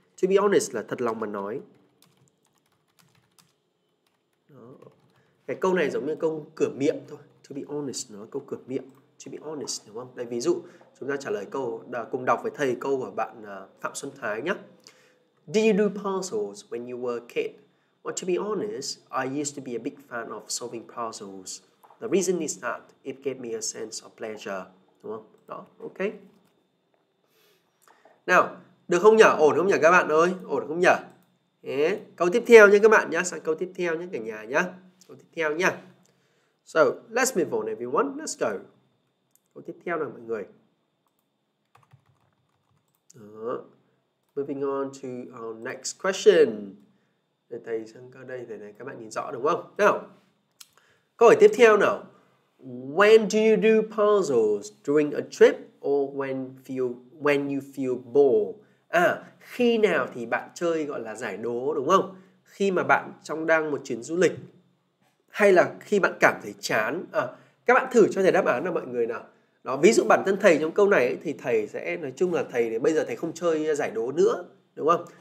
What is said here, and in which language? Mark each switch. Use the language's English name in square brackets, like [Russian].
[English] To be honest [Vietnamese] là thật lòng mà nói. Đó. Cái câu này giống như câu cửa miệng thôi. [English] To be honest [Vietnamese] nó là câu cửa miệng. To be honest đúng không? Đây ví dụ chúng ta trả lời câu cùng đọc với thầy câu của bạn Phạm Xuân Thái nhé. [English] Did you do puzzles when you were a kid? Well, to be honest, I used to be a big fan of solving puzzles. The reason is that it gave me a sense of pleasure. [Vietnamese] Đúng không? Đó, ok. Nào, được không nhỉ? Ổn không nhỉ các bạn ơi? Ổn không nhỉ? Câu tiếp theo nha các bạn nhé. Sang câu tiếp theo nhé cả nhà nhé. Câu tiếp theo nha. [English] So, let's move on everyone. Let's go. [Vietnamese] Câu tiếp theo nào mọi người. [English] Đó. Moving on to our next question. [Vietnamese] Để thầy sang câu đây để các bạn nhìn rõ đúng không? Nào, câu hỏi tiếp theo nào. [English] When do you do puzzles? During a trip or when you feel bored? [Vietnamese] À, khi nào thì bạn chơi gọi là giải đố đúng không? Khi mà bạn trong đang một chuyến du lịch hay là khi bạn cảm thấy chán. À, các bạn thử cho thầy đáp án nào mọi người nào. Đó, ví dụ bản thân thầy trong câu này ấy, thì thầy sẽ nói chung là thầy thì bây giờ thầy không chơi giải đố nữa đúng không?